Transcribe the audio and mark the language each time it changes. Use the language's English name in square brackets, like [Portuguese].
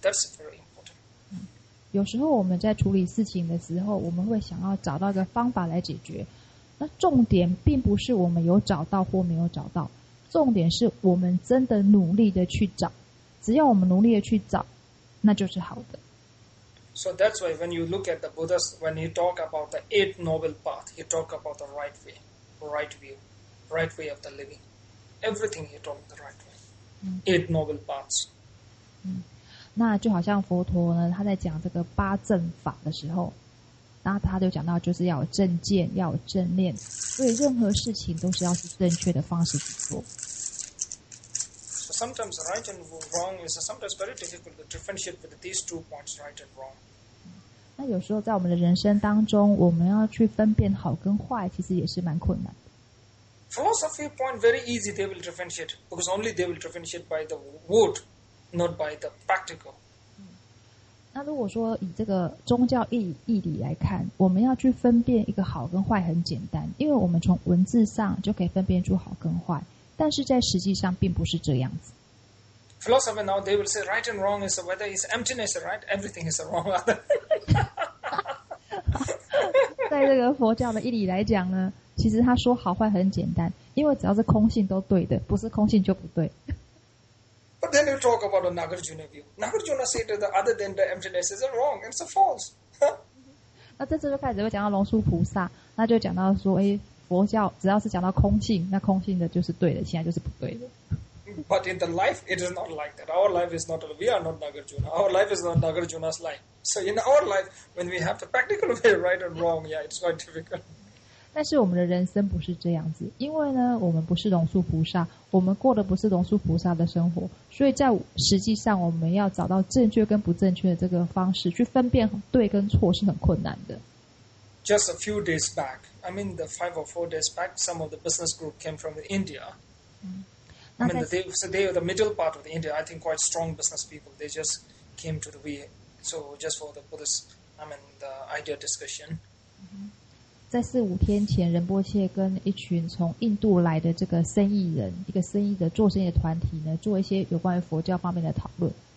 [English] That's very important. [Chinese] 有时候我们在处理事情的时候，我们会想要找到一个方法来解决，那重点并不是我们有找到或没有找到。重点是我们真的努力的去找，只要我们努力的去找，那就是好的。 [English] So that's why when you look at the Buddha, when he talk about the Eight Noble Path, he talk about the right way, right view, right way of the living. Everything he talk the right way. Eight Noble Paths. [Chinese] 那就好像佛陀呢，他在讲这个八正法的时候，那他就讲到就是要有正见，要有正念，所以任何事情都是要是正确的方式去做。 [English] So sometimes right and wrong is sometimes very difficult to differentiate with these two points, right and wrong. [Chinese] 那有时候在我们的人生当中，我们要去分辨好跟坏，其实也是蛮困难的。 [English] Philosophy point very easy, they will differentiate because only they will differentiate by the word, not by the practical. [Chinese] 那如果说以这个宗教义理来看，我们要去分辨一个好跟坏很简单，因为我们从文字上就可以分辨出好跟坏，但是在实际上并不是这样子。 [English] Philosophy now they will say right and wrong is whether it's emptiness right, everything is wrong. [Chinese] 在这个佛教的义理来讲呢？其实他说好坏很简单，因为只要是空性都对的，不是空性就不对。 [English] But then you talk about the Nagarjuna view. Nagarjuna said that other than the emptiness is wrong, it's a false. [Chinese] 那这次就开始会讲到龙树菩萨，那就讲到说，哎，佛教只要是讲到空性，那空性的就是对的，现在就是不对的。 [English] But in the life, it is not like that. Our life is not. We are not Nagarjuna. Our life is not Nagarjuna's life. So in our life, when we have the practical way right and wrong, yeah, it's quite difficult. [Chinese] 但是我们的人生不是这样子，因为呢，我们不是龙树菩萨，我们过的不是龙树菩萨的生活，所以在实际上，我们要找到正确跟不正确的这个方式去分辨对跟错是很困难的。 [English] Just a few days back, I mean the 5 or 4 days back, some of the business group came from India. I mean they are the middle part of the India. I think quite strong business people. They just came to the we. So just for the Buddhist, I mean the idea discussion. [Chinese] 在四五天前，仁波切跟一群从印度来的这个生意人，一个生意的做生意的团体呢，做一些有关于佛教方面的讨论。